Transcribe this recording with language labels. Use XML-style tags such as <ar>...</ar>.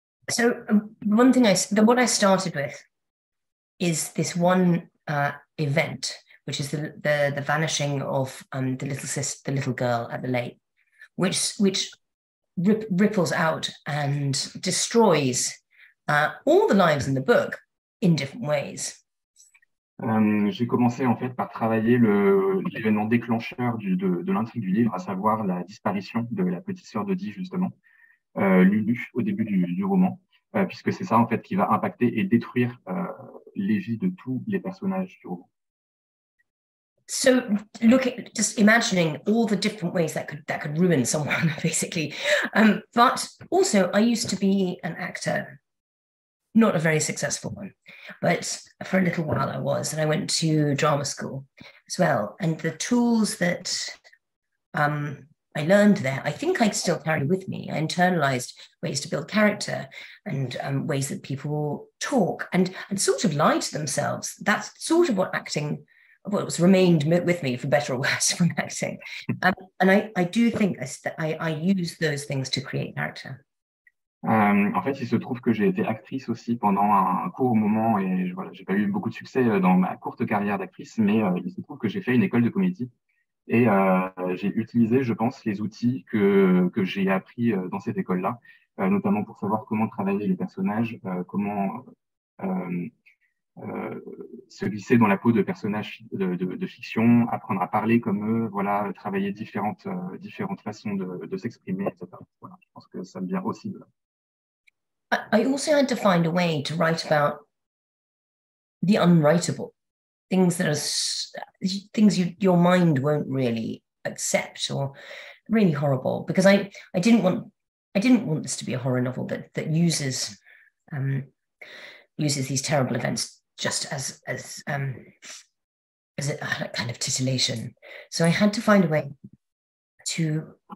<en>So one thing what I started with is this one event, which is the vanishing of the little girl at the lake, which ripples out and destroys all the lives in the book in different ways.</en> <fr>J'ai commencé en fait par travailler l'événement déclencheur de l'intrigue du livre, à savoir la disparition de la petite sœur de Dee, justement, Lulu, au début du roman. Puisque c'est ça en fait qui va impacter et détruire les vies de tous les personnages du roman.</fr> <en>So look at just imagining all the different ways that could ruin someone, basically. But also, I used to be an actor, not a very successful one, but for a little while I was, and I went to drama school as well. And the tools that I learned there, I think I still carry with me. I internalized ways to build character and ways that people talk and sort of lie to themselves. That's sort of what acting, well, it's remained with me, for better or worse, from acting. And I do think that I use those things to create character.</en> <fr>En fait, il se trouve que j'ai été actrice aussi pendant un court moment et voilà, j'ai pas eu beaucoup de succès dans ma courte carrière d'actrice, mais il se trouve que j'ai fait une école de comédie. Et j'ai utilisé, je pense, les outils que j'ai appris dans cette école-là, notamment pour savoir comment travailler les personnages, comment se glisser dans la peau de personnages de fiction, apprendre à parler comme eux, voilà, travailler différentes façons de s'exprimer, etc. Voilà, je pense que ça me vient aussi de là.</fr> <en>I also had to find a way to write about the unwritable. Things that are things your mind won't really accept or really horrible, because I didn't want this to be a horror novel that uses these terrible events just as a kind of titillation. So I had to find a way to</en>